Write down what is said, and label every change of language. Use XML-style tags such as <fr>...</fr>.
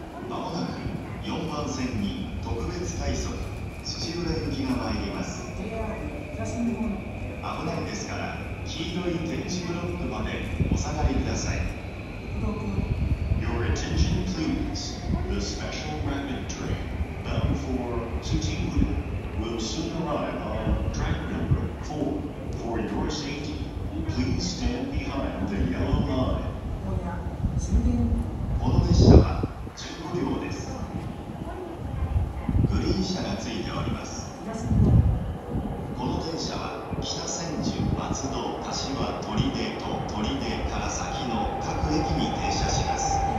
<ja>まもなく4番線に特別快速土浦行きが参ります。危ないですから、黄色い点字ブロックまでお下がりください。</ja> <en>Your attention please. The special rapid train bound for Tsuchimura will soon arrive on track number 4. For your safety, please stand behind the yellow line.</en> <ja>この列車は15両です。グリーン車がついております。この電車は北千住、松戸、柏、取手と取手から先の各駅に停車します。</ja>